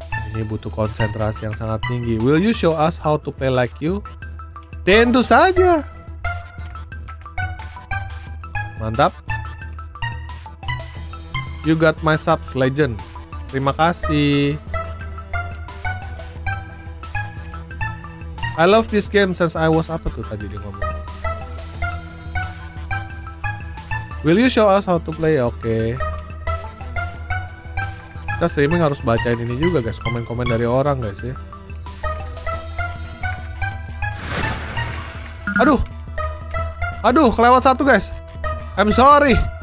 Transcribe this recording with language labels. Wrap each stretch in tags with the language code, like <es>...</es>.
<id>Ini butuh konsentrasi yang sangat tinggi.</id> <en>Will you show us how to play like you?</en> <id>Tentu saja. Mantap.</id> <en>You got my subs, legend.</en> <id>Terima kasih.</id> <en>I love this game since I was...</en> <id>Apa tuh tadi dia ngomong?</id> <en>Will you show us how to play?</en> <id>Oke. Kita streaming harus bacain ini juga guys. Komen-komen dari orang guys ya. Aduh, kelewat satu guys.</id> <en>I'm sorry.</en>